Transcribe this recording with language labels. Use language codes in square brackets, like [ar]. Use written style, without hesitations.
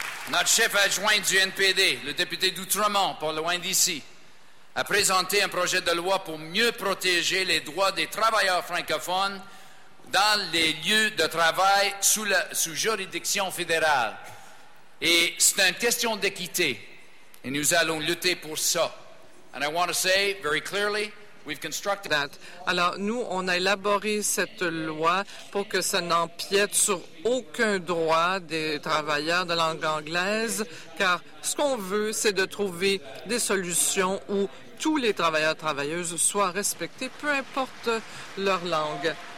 [fr] Notre chef adjoint du NPD, le député d'Outremont, pas loin d'ici, a présenté un projet de loi pour mieux protéger les droits des travailleurs francophones dans les lieux de travail sous juridiction fédérale. Et c'est une question d'équité, et nous allons lutter pour ça. [en] And I want to say very clearly, we've constructed that. [fr] Alors, nous, on a élaboré cette loi pour que ça n'empiète sur aucun droit des travailleurs de langue anglaise, car ce qu'on veut, c'est de trouver des solutions où tous les travailleurs et travailleuses soient respectés, peu importe leur langue.